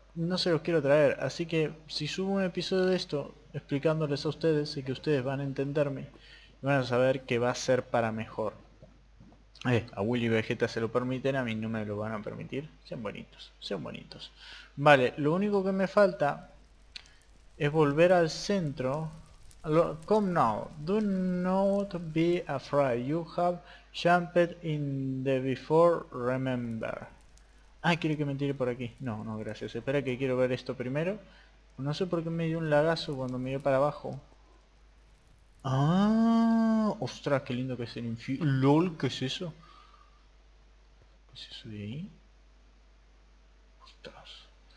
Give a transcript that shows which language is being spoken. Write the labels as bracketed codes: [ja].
[es] No se los quiero traer, así que si subo un episodio de esto explicándoles a ustedes, sé que ustedes van a entenderme y van a saber que va a ser para mejor. A Willy Vegeta se lo permiten, a mí no me lo van a permitir. Sean bonitos, sean bonitos. Vale, lo único que me falta es volver al centro. [en] Come now, do not be afraid, you have jumped in the before, remember. [es] Ah, quiere que me tire por aquí. No, no, gracias. Espera que quiero ver esto primero. No sé por qué me dio un lagazo cuando miré para abajo. Ah, ostras, qué lindo que es el infierno. LOL, ¿qué es eso? ¿Qué es eso de ahí? Ostras.